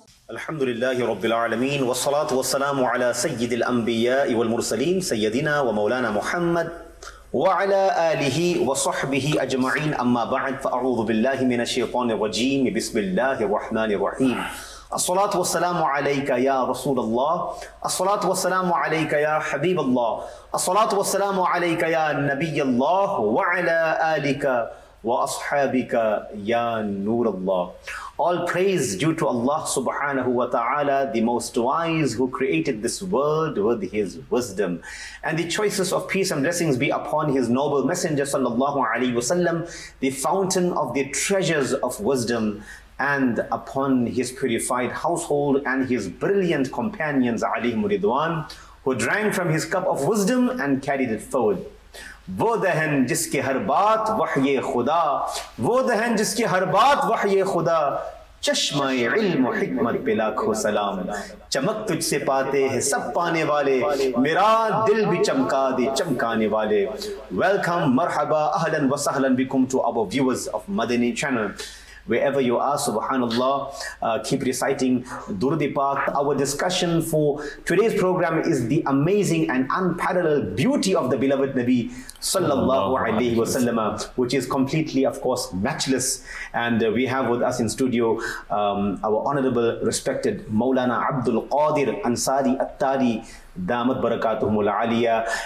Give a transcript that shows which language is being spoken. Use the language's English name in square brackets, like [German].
[Arabic] الحمد لله رب العالمين، والصلاة والسلام على سيد الأنبياء والمرسلين سيدنا ومولانا محمد وعلى آله وصحبه أجمعين، أما بعد، فأعوذ بالله من الشيطان الرجيم، بسم الله الرحمن الرحيم. الصلاة والسلام عليك يا رسول الله، الصلاة والسلام عليك يا حبيب الله، الصلاة والسلام عليك يا نبي الله، وعلى آلك وأصحابك يا نور الله. [English] All praise due to Allah subhanahu wa ta'ala, the most wise, who created this world with his wisdom. And the choices of peace and blessings be upon his noble messenger sallallahu alayhi wa sallam, the fountain of the treasures of wisdom, and upon his purified household and his brilliant companions alayhim ridwan, who drank from his cup of wisdom and carried it forward. [Urdu] وہ دہن جس کی ہر بات وحی خدا، وہ دہن جس کی ہر بات وحی خدا، چشمہ علم و حکمت پہ لاکھوں سلام، چمک تجھ سے پاتے ہیں سب پانے والے، میرا دل بھی چمکا دے چمکانے والے. [English] welcome, [Arabic] مرحبا، اہلن و سہلن بکم [English] To our viewers of Madani channel. Wherever you are, subhanallah, keep reciting Durud-e Pak. Our discussion for today's program is the amazing and unparalleled beauty of the beloved Nabi sallallahu alayhi wa sallam, which is completely, of course, matchless. And we have with us in studio our honorable, respected Maulana Abdul Qadir Ansari At-Tari Damat Barakatuhum Al-Aliyah.